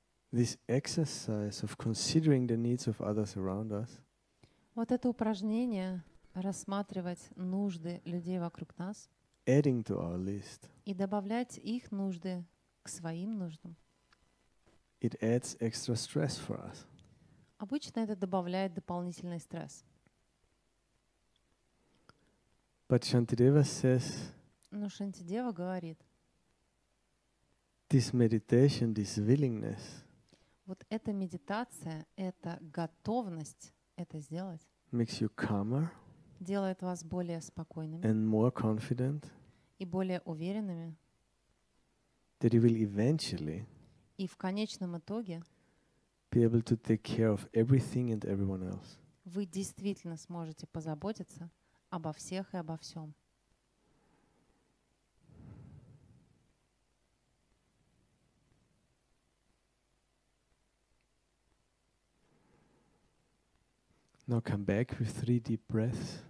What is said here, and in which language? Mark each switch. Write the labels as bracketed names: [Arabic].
[English] This exercise of considering the needs of others around us. [Russian] Вот это упражнение рассматривать нужды людей вокруг нас. [English] Adding to our list. [Russian] И добавлять их нужды к своим нуждам. [English] It adds extra stress for us. [Russian] Обычно это добавляет дополнительный стресс. [English] But Shantideva says. [Russian] Но Шантидева говорит. [English] This meditation, this willingness. [Russian] Вот эта медитация, эта готовность это сделать [English] makes you calmer, [Russian] делает вас более спокойными [English] and more confident, [Russian] и более уверенными [English] that you will eventually [Russian] и в конечном итоге [English] be able to take care of everything and everyone else. [Russian] Вы действительно сможете позаботиться обо всех и обо всем. [English] Now come back with three deep breaths.